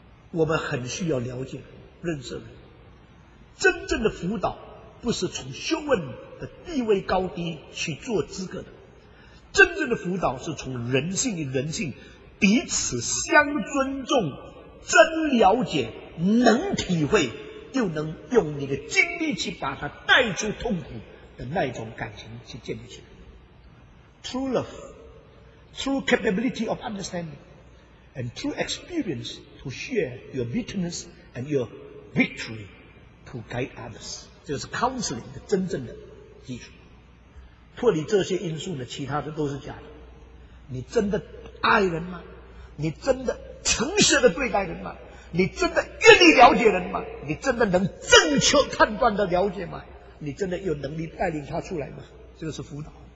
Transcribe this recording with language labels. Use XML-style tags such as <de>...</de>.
<zh>我们很需要了解认识人，真正的辅导不是从学问的地位高低去做资格的，真正的辅导是从人性与人性彼此相尊重，真了解能体会又能用你的精力去把它带出痛苦的那种感情去建立起来。</zh> <en>True love, true capability of understanding, and true experience to share your bitterness and your victory to guide others.</en> <zh>这是 counseling 的真正的基础。脱离这些因素呢，其他的都是假的。你真的爱人吗？你真的诚实的对待人吗？你真的愿意了解人吗？你真的能正确判断的了解吗？你真的有能力带领他出来吗？这个是辅导。</zh>